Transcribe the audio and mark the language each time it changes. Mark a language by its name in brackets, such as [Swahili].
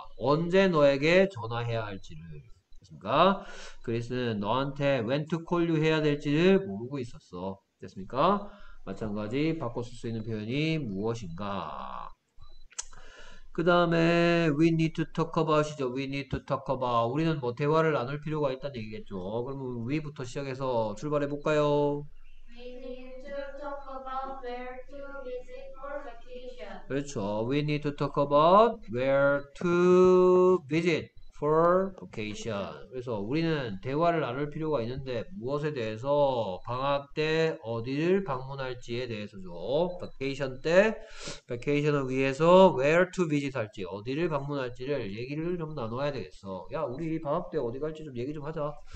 [Korean] 언제 너에게 전화해야 할지를. 그러니까 Chris는 너한테 [English] when to call you [Korean] 해야 될지를 모르고 있었어. 됐습니까? 마찬가지 바꿔 쓸수 있는 표현이 무엇인가? 그 다음에 [English] we need to talk about이죠. We need to talk about. [Korean] 우리는 뭐 대화를 나눌 필요가 있다는 얘기겠죠. 그러면 we부터 시작해서 출발해 볼까요? [English] We need to talk about where to visit for vacation. [Korean] 그렇죠. [English] We need to talk about where to visit for vacation. [Korean] 그래서 우리는 대화를 나눌 필요가 있는데 무엇에 대해서 방학 때 어디를 방문할지에 대해서죠. Vacation 때 vacation을 위해서 [English] where to visit [Korean] 할지 어디를 방문할지를 얘기를 좀 나눠야 되겠어. 야, 우리 방학 때 어디 갈지 좀 얘기 좀 하자.